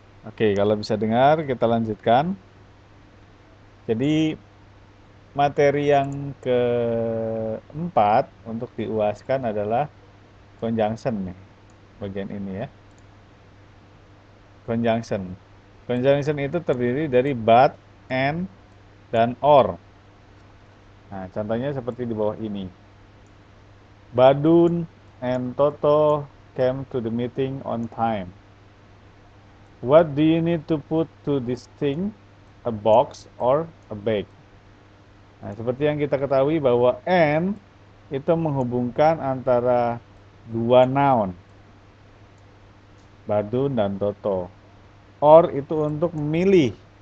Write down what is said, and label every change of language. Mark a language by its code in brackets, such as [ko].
[id] Oke, kalau bisa dengar, kita lanjutkan. Jadi, materi yang keempat untuk diuaskan adalah conjunction nih, bagian ini ya. Conjunction. Conjunction itu terdiri dari but, and, dan or. Nah, contohnya seperti di bawah ini. [en] Badun and Toto came to the meeting on time. What do you need to put to this thing, a box or a bag? [id] Nah, seperti yang kita ketahui bahwa and itu menghubungkan antara dua noun, Badun dan Toto. Or itu untuk memilih,